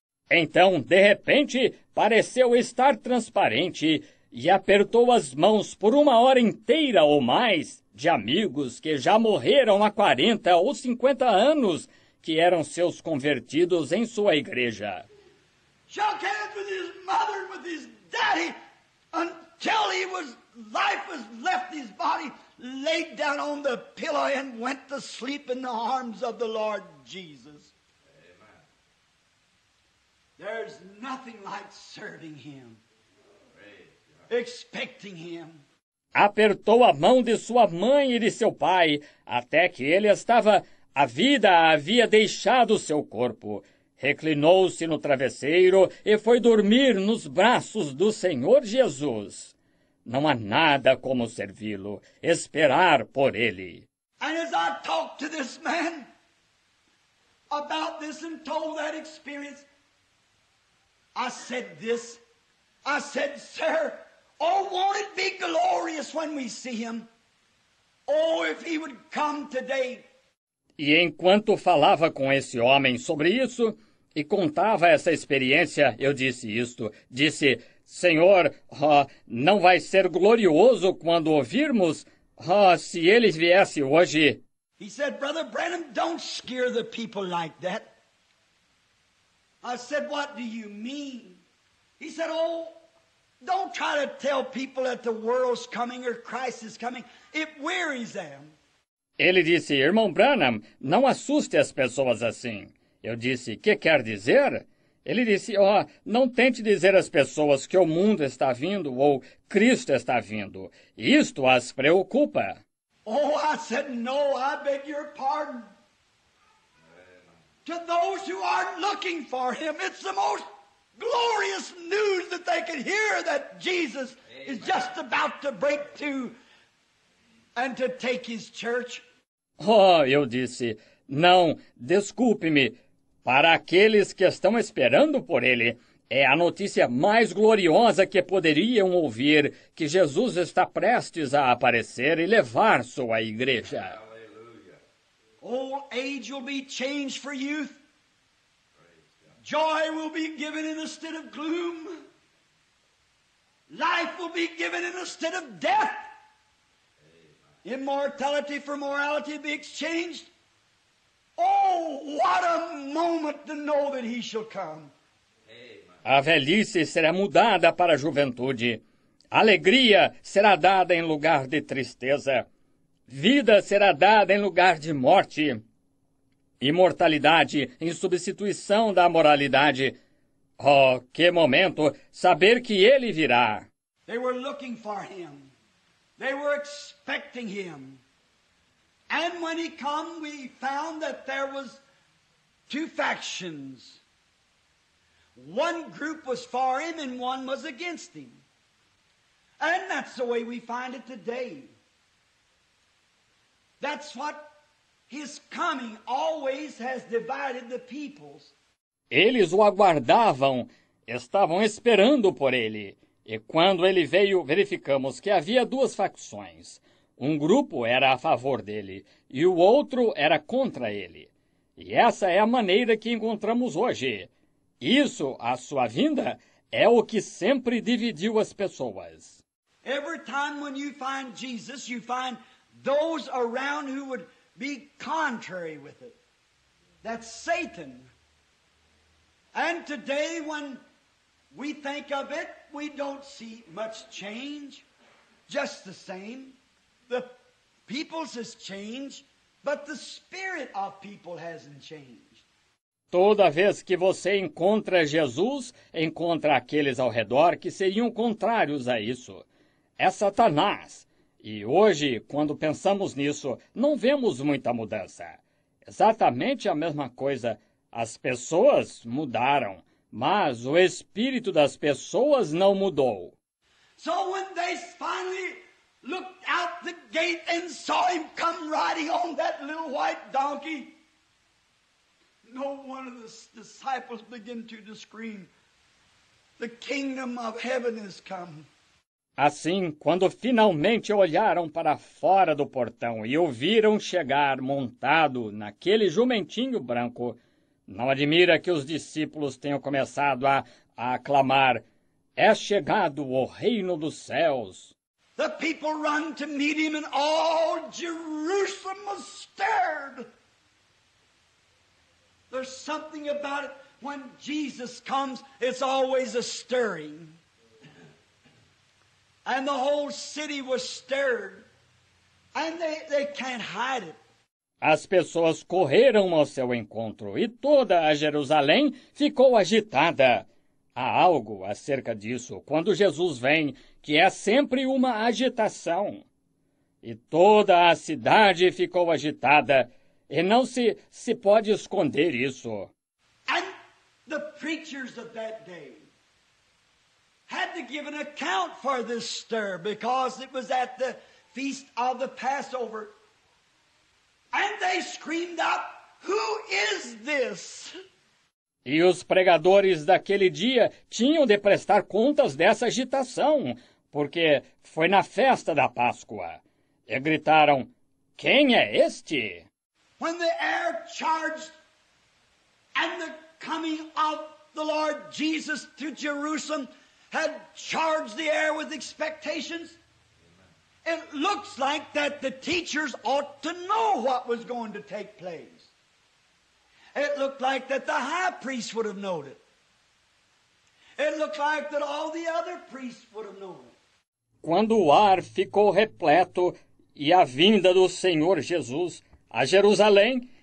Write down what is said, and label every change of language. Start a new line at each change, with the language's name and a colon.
Portuguese: Então, de repente, pareceu estar transparente e apertou as mãos por 1 hora inteira ou mais de amigos que já morreram há 40 ou 50 anos, que eram seus convertidos em sua igreja.
English: Shook hands with his mother and with his daddy until he was life was left his body, laid down on the pillow and went to sleep in the arms of the Lord Jesus. Amen. There's nothing like serving him. Expecting him.
Portuguese: Apertou a mão de sua mãe e de seu pai até que a vida havia deixado seu corpo. Reclinou-se no travesseiro e foi dormir nos braços do Senhor Jesus. Não há nada como servi-lo, esperar por ele.
English: And as I talked to this man about this and told that experience, I said this. I said, "Sir, oh, won't it be glorious when we see him? Oh, if he would come today."
Portuguese: E enquanto falava com esse homem sobre isso e contava essa experiência, eu disse isto. Disse: "Senhor, não vai ser glorioso quando ouvirmos? Se ele viesse hoje."
English: He said, "Brother Branham, don't scare the people like that." I said, "What do you mean?" He said, "Oh, don't try to tell people that the world's coming or Christ is coming. It wearies them."
Portuguese: Ele disse: "Irmão Branham, não assuste as pessoas assim. Eu disse, que quer dizer? Ele disse, ó, não tente dizer às pessoas que o mundo está vindo ou Cristo está vindo. Isto as preocupa.
English: Oh, I said, no, I beg your pardon. To those who aren't looking for him, it's the most glorious news that they can hear that Jesus Amen. Is just about to break through and to take his church.
Portuguese: Oh, eu disse, não, desculpe-me. Para aqueles que estão esperando por ele, é a notícia mais gloriosa que poderiam ouvir, que Jesus está prestes a aparecer e levar sua igreja.
English: Old age will be changed for youth. Joy will be given instead of gloom. Life will be given instead of death. Immortality for morality will be exchanged. Oh, what a moment to know that he shall come.
Portuguese: A velhice será mudada para a juventude. Alegria será dada em lugar de tristeza. Vida será dada em lugar de morte. Imortalidade em substituição da moralidade. Oh, que momento saber que ele virá.
English: They were looking for him. They were expecting him. And when he came, we found that there was two factions. One group was for him and one was against him. And that's the way we find it today. That's what his coming always has divided the peoples.
Portuguese: Eles o aguardavam, estavam esperando por ele. E quando ele veio, verificamos que havia duas facções. Um grupo era a favor dele e o outro era contra ele. E essa é a maneira que encontramos hoje. Isso, a sua vinda, é o que sempre dividiu as pessoas.
English: Every time when you find Jesus, you find those around who would be contrary with it. That's Satan. And today when we think of it, we don't see much change. Just the same. The peoples has changed, but the spirit of people hasn't changed.
Portuguese: Toda vez que você encontra Jesus, encontra aqueles ao redor que seriam contrários a isso. É Satanás. E hoje, quando pensamos nisso, não vemos muita mudança. Exatamente a mesma coisa. As pessoas mudaram, mas o espírito das pessoas não mudou.
English: So when they finally looked out the gate and saw him come riding on that little white donkey, no one of the disciples began to scream, "The kingdom of heaven is come."
Portuguese: Assim, quando finalmente olharam para fora do portão e o viram chegar montado naquele jumentinho branco, não admira que os discípulos tenham começado a aclamar, "É chegado o reino dos céus."
English: The people run to meet him and all Jerusalem was stirred. There's something about it. When Jesus comes, it's always a stirring. And the whole city was stirred. And they can't hide it.
Portuguese: As pessoas correram ao seu encontro e toda a Jerusalém ficou agitada. Há algo acerca disso. Quando Jesus vem, que é sempre uma agitação. E toda a cidade ficou agitada, e não se pode esconder isso.
English: And the preachers of that day had to give an account for this stir, because it was at the feast of the Passover. And they screamed out, "Who is this?"
Portuguese: E os pregadores daquele dia tinham de prestar contas dessa agitação, porque foi na festa da Páscoa. E gritaram, "Quem é este?"
English: When the air charged and the coming of the Lord Jesus to Jerusalem had charged the air with expectations, it looks like that the teachers ought to know what was going to take place. It looked like that the high priest would have known it. It looked like that all the other priests would have known it.
Portuguese: Quando o ar ficou repleto e a vinda do Senhor Jesus a Jerusalém,